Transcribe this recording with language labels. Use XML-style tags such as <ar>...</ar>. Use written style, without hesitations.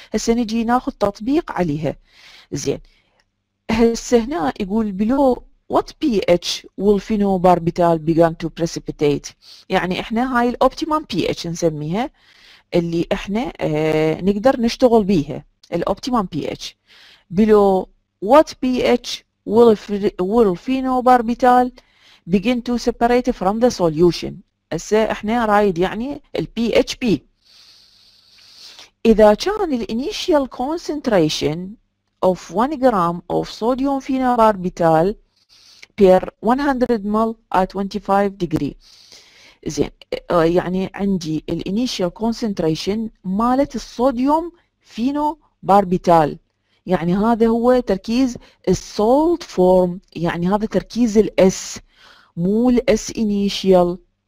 <ar>هسه نجي ناخذ تطبيق عليها. زين هسه هنا يقول بلو</ar> <en>What pH will phenobarbital begin to precipitate؟</en> <ar>يعني احنا هاي الاوبتيمم pH نسميها اللي احنا نقدر نشتغل بيها الاوبتيمم pH.</ar> <en>Below what pH will phenobarbital begin to separate from the solution؟</en> <ar>هسه احنا رايد يعني ال pH B. إذا كان ال</ar> <en>initial concentration of 1 gram of sodium phenobarbital per 100 مل at 25 degree.</en> <ar>زين يعني عندي الانيشال كونسنتريشن مالت الصوديوم فينو باربيتال، يعني هذا هو تركيز السولت فورم، يعني هذا تركيز الاس مو الاس انيشال.</ar>